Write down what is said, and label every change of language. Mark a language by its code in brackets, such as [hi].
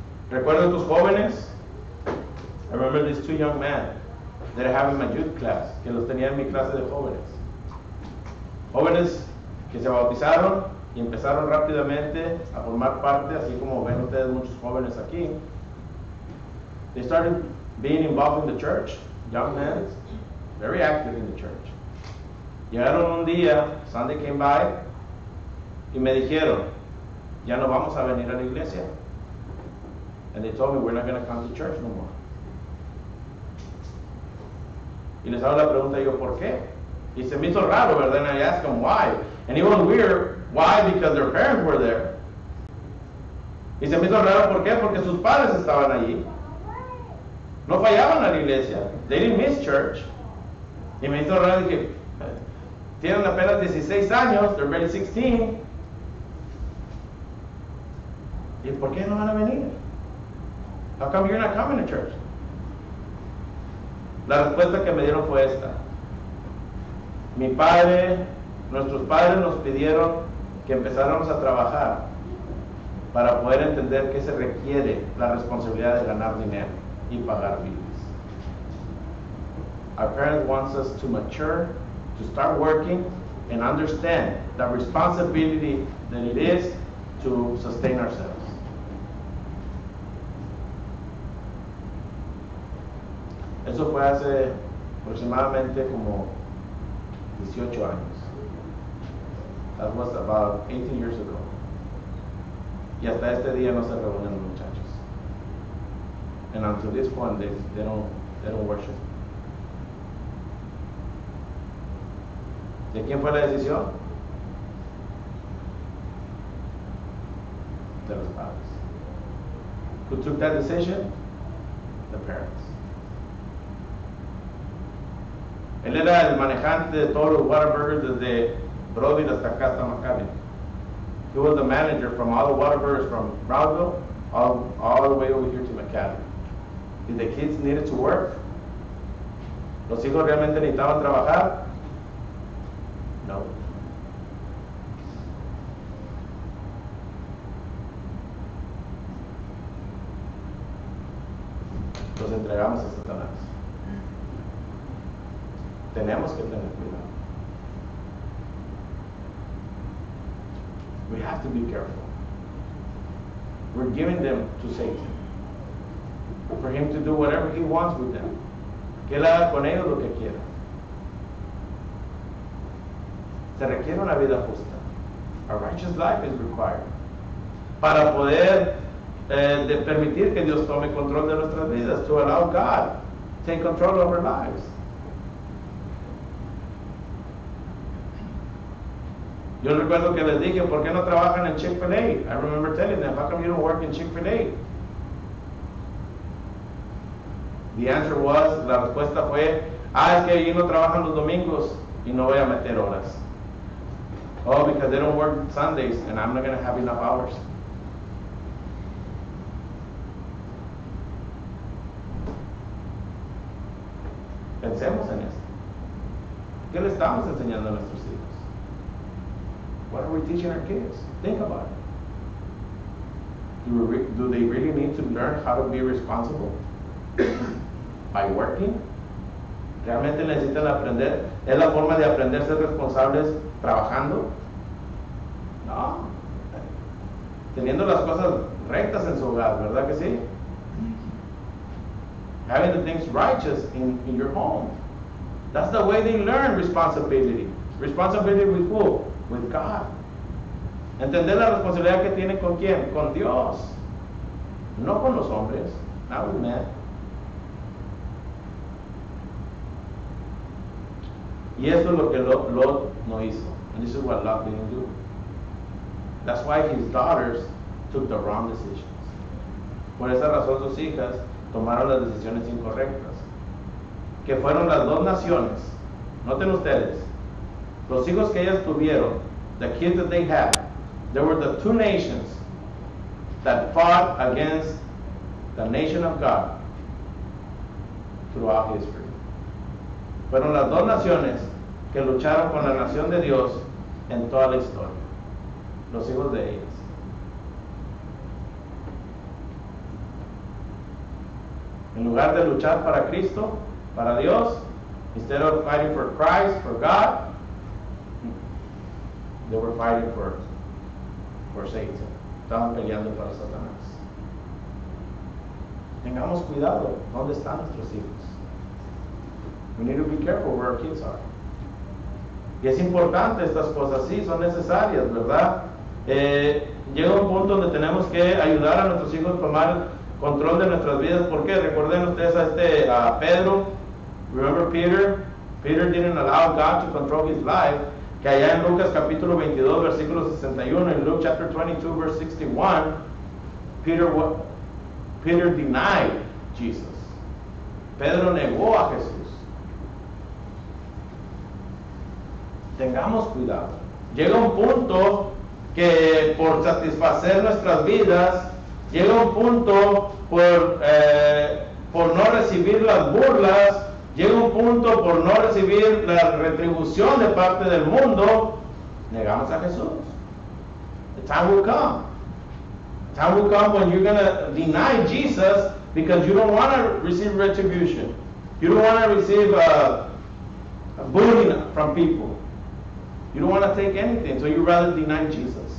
[es] Recuerda tus jóvenes. [en] I remember these two young men that I have in my youth class, [es] que los tenía en mi clase de jóvenes. Jóvenes que se bautizaron y empezaron rápidamente a formar parte, así como ven ustedes muchos jóvenes aquí. [en] They started being involved in the church, young men, very active in the church. [es] Llegaron un día, [en] Sunday came by, [es] y me dijeron, ya no vamos a venir a la iglesia. [en] And they told me, we're not going to come to church no more. [es] Y les hago la pregunta, yo, ¿por qué? Y se me hizo raro, ¿verdad? [en] And I asked them, why? And it was weird, why? Because their parents were there. [es] Y se me hizo raro, ¿por qué? Porque sus padres estaban allí. No fallaban a la iglesia. [en] They didn't miss church. [es] Y me hizo raro, dije, tienen apenas 16 años, [en] they're barely 16. [es] ¿Y por qué no van a venir? [en] How come you're not coming to church? [es] La respuesta que me dieron fue esta. Mi padre, nuestros padres nos pidieron que empezáramos a trabajar para poder entender qué se requiere la responsabilidad de ganar dinero y pagar bills. [en] Our parents want us to mature, to start working, and understand the responsibility that it is to sustain ourselves. [es] Eso fue hace aproximadamente como 18 años. [en] That was about 18 years ago. [es] Y hasta este día no se reúnen los muchachos. [en] And until this point, they don't worship. [es] ¿De quién fue la decisión? De los padres. [en] Who took that decision? The parents. [es] Él era el manejante de todos los Whataburgers desde Broadway hasta acá, hasta Macaulay. [en] He was the manager from all the Whataburgers from Broadville all the way over here to Macaulay. Did the kids needed to work? [es] ¿Los hijos realmente necesitaban trabajar? No. Los entregamos a Satanás. Tenemos que tener cuidado. [en] We have to be careful. We're giving them to Satan. For him to do whatever he wants with them. [es] Que él haga con ellos lo que quiera. Se requiere una vida justa. [en] A righteous life is required. [es] Para poder permitir que Dios tome control de nuestras vidas. [en] To allow God to take control of our lives. [es] Yo recuerdo que les dije, ¿por qué no trabajan en Chick-fil-A? [en] I remember telling them, how come you don't work in Chick-fil-A? The answer was, [es] la respuesta fue, ah, es que ellos no trabajan los domingos y no voy a meter horas. [en] Oh, because they don't work Sundays and I'm not going to have enough hours. [es] Pensemos en esto. ¿Qué le estamos enseñando a nuestros hijos? [en] What are we teaching our kids? Think about it. Do they really need to learn how to be responsible? By working? [es] ¿Realmente necesitan aprender? ¿Es la forma de aprender a ser responsables trabajando? No. Teniendo las cosas rectas en su hogar, ¿verdad que sí? [en] having the things righteous in your home. That's the way they learn responsibility. Responsibility with who? With God. [es] Entender la responsabilidad que tiene con quién? Con Dios. No con los hombres. [en] Not with men. [es] Y eso es lo que Lot no hizo. [en] And this is what Lot didn't do. That's why his daughters took the wrong decisions. [es] Por esa razón sus hijas tomaron las decisiones incorrectas. Que fueron las dos naciones. Noten ustedes. Los hijos que ellas tuvieron, [en] the kids that they had, they were the two nations that fought against the nation of God throughout history. [es] Fueron las dos naciones que lucharon con la nación de Dios en toda la historia. Los hijos de ellas. En lugar de luchar para Cristo, para Dios, [en] instead of fighting for Christ, for God, they were fighting for Satan. [es] Estaban peleando para Satanás. Tengamos cuidado. ¿Dónde están nuestros hijos? We need to be careful where our kids are. Y es importante estas cosas. Sí, son necesarias, ¿verdad? Llega un punto donde tenemos que ayudar a nuestros hijos a tomar control de nuestras vidas. ¿Por qué? Recuerden ustedes a Pedro. [en] Remember Peter? Peter didn't allow God to control his life. [es] Que allá en Lucas capítulo 22, versículo 61, [en] en Luke chapter 22, verse 61, Peter denied Jesus. [es] Pedro negó a Jesús. Tengamos cuidado. Llega un punto que por satisfacer nuestras vidas, llega un punto por no recibir las burlas, llega un punto por no recibir la retribución de parte del mundo, negamos a Jesús. [en] The time will come. The time will come when you're going to deny Jesus because you don't want to receive retribution. You don't want to receive a bullying from people. You don't want to take anything, so you'd rather deny Jesus.